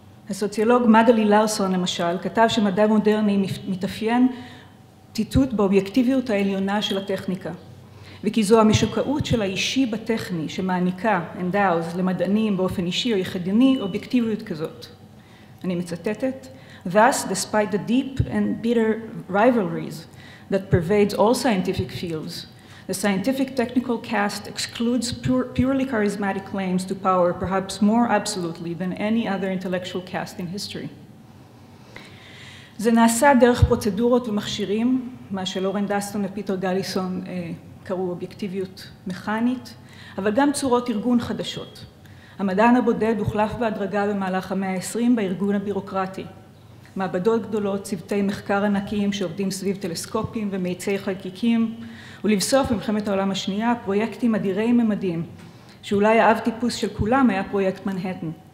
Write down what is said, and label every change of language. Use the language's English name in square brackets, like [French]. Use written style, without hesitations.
[Hebrew] הסוציולוג מגלי לארסון, למשל, כתב שמדע מודרני מתאפיין ציטוט באובייקטיביות העליונה של הטכניקה, וכי זו המשוקעות של האישי בטכני שמעניקה, endows, למדענים באופן אישי או יחדני, אובייקטיביות כזאת. אני מצטטת, [English] Thus, despite the deep and bitter rivalries that pervades all scientific fields, the scientific technical caste excludes purely charismatic claims to power, perhaps more absolutely than any other intellectual caste in history. [Hebrew] זה נעשה דרך פרוצדורות ומכשירים, מה שלורן דסטון ופיטר גליסון קראו אובייקטיביות מכנית, אבל גם צורות ארגון חדשות. המדען הבודד הוחלף בהדרגה במהלך המאה ה-20 בארגון הבירוקרטי. מעבדות גדולות, צוותי מחקר ענקיים שעובדים סביב טלסקופים ומאיצי חלקיקים, ולבסוף במלחמת העולם השנייה, פרויקטים אדירי ממדים, שאולי האב טיפוס של כולם היה פרויקט מנהטן.